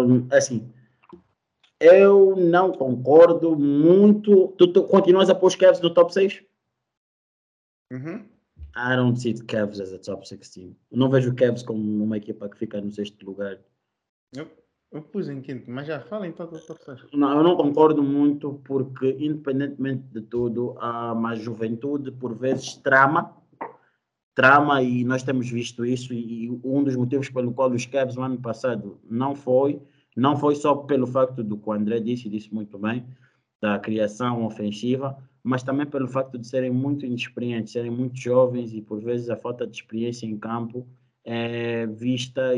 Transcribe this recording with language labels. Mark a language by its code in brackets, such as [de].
[pt] Assim, eu não concordo muito. Tu continuas a pôr os Cavs no top 6? Uhum. [en] I don't see the Cavs as a top 6 team. [pt] Não vejo o Cavs como uma equipa que fica no sexto lugar. Eu pus em quinto, mas já fala em todo o top 6. Não, eu não concordo muito porque, independentemente de tudo, há uma juventude, por vezes, trama, e nós temos visto isso, e um dos motivos pelo qual os Cavs no ano passado não foi só pelo facto do que o André disse muito bem, da criação ofensiva, mas também pelo facto de serem muito inexperientes, serem muito jovens, e por vezes a falta de experiência em campo é vista.